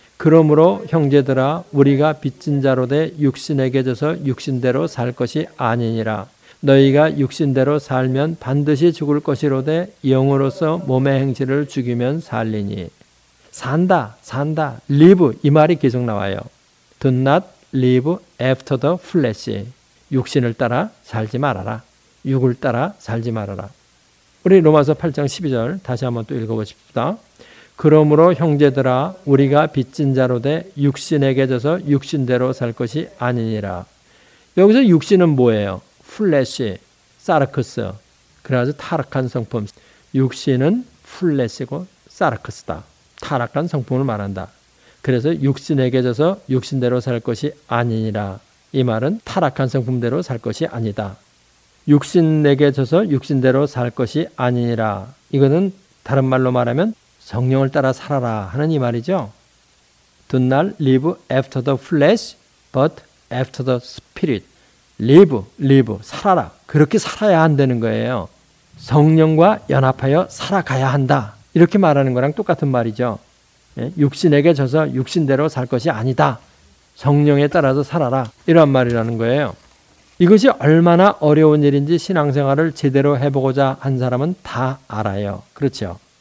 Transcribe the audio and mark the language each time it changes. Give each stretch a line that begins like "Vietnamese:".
Korean: 그러므로 형제들아 우리가 빚진 자로 돼 육신에게 져서 육신대로 살 것이 아니니라. 너희가 육신대로 살면 반드시 죽을 것이로 돼 영으로서 몸의 행실을 죽이면 살리니. 산다, 산다, live 이 말이 계속 나와요.
English: Do not live after the flesh.
Korean: 육신을 따라 살지 말아라. 육을 따라 살지 말아라. 우리 로마서 8장 12절 다시 한번 또 읽어보십시다. 그러므로 형제들아 우리가 빚진 자로 돼 육신에게 져서 육신대로 살 것이 아니니라. 여기서 육신은 뭐예요? 플래시, 사르크스, 그래서 타락한 성품. 육신은 플래시고 사르크스다. 타락한 성품을 말한다. 그래서 육신에게 져서 육신대로 살 것이 아니니라. 이 말은 타락한 성품대로 살 것이 아니다. 육신에게 져서 육신대로 살 것이 아니니라. 이거는 다른 말로 말하면 성령을 따라 살아라 하는 이 말이죠.
English: Do not live after the flesh, but after the spirit.
Korean: Live, 살아라. 그렇게 살아야 한다는 거예요. 성령과 연합하여 살아가야 한다. 이렇게 말하는 거랑 똑같은 말이죠. 육신에게 져서 육신대로 살 것이 아니다. 성령에 따라서 살아라. 이런 말이라는 거예요. 이것이 얼마나 어려운 일인지 신앙생활을 제대로 해보고자 한 사람은 다 알아요. 그렇죠?